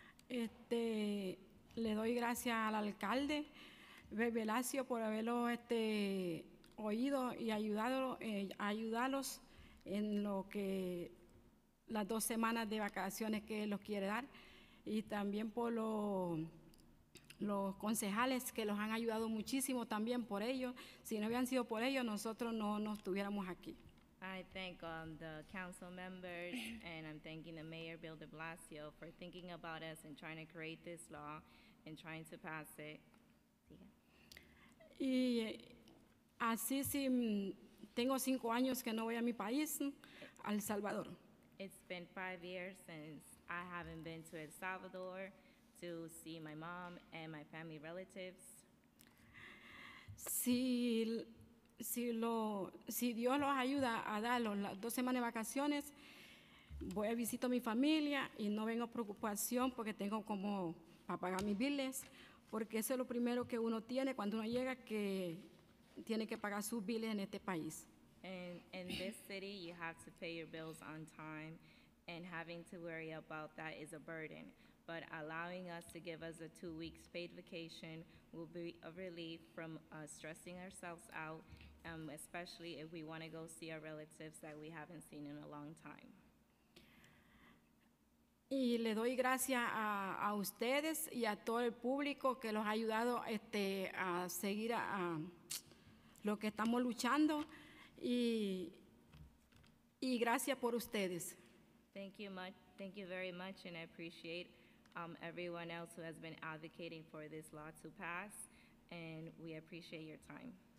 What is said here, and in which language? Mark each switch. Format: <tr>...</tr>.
<es>Le doy gracias al alcalde Velasio por haberlo oído y ayudarlos en lo que las dos semanas de vacaciones que los quiere dar, y también por los concejales que los han ayudado muchísimo también por ellos. Si no hubieran sido por ellos, nosotros no estuviéramos aquí.</es> <en>I thank the council members, and I'm thanking the mayor, Bill de Blasio, for thinking about us and trying to create this law and trying to pass it.</en> <es>Y así, si tengo 5 años que no voy a mi país, El Salvador.</es> <en>It's been 5 years since I haven't been to El Salvador to see my mom and my family relatives.</en> <es>Si Dios los ayuda a dar las dos semanas de vacaciones, voy a visitar a mi familia y no vengo preocupación porque tengo como para pagar mis biles, porque eso es lo primero que uno tiene cuando uno llega, que tiene que pagar sus biles en este país.</es> <en>In this city, you have to pay your bills on time, and having to worry about that is a burden. But allowing us to give us a 2 weeks paid vacation will be a relief from stressing ourselves out, especially if we want to go see our relatives that we haven't seen in a long time.</en> <es>Y le doy gracias a ustedes y a todo el público que los ha ayudado a seguir a lo que estamos luchando, y gracias por ustedes.</es> <en>Thank you very much, and I appreciate everyone else who has been advocating for this law to pass, and we appreciate your time.</en>